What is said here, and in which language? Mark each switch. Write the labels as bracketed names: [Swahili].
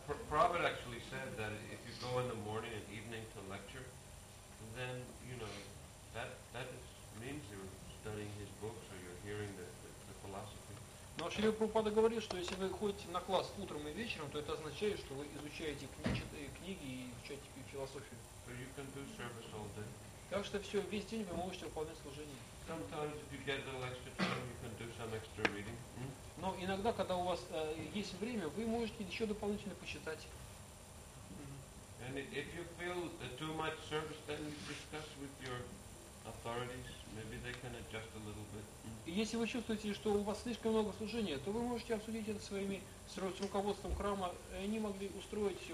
[English] Prabhupada actually said that if you go in the morning and evening to lecture, then you know that means you're studying his books or you're hearing the philosophy. [Russian] Но Шрила Прабхупада говорит, что если вы ходите на класс утром и вечером, то это означает, что вы изучаете книги и изучаете философию. [English] So you can do service all day. [Russian] Так что все, весь день вы можете выполнять служение. [English] Sometimes if you get a little extra time, you can do some extra reading. Hmm? [Russian] Но иногда, когда у вас есть время, вы можете еще дополнительно почитать. Mm-hmm. [English] And if you feel too much service, then you discuss with your authorities. Maybe they can adjust a little bit. [Russian] Если вы чувствуете, что у вас слишком много служения, то вы можете обсудить это с руководством храма, и они могли устроить все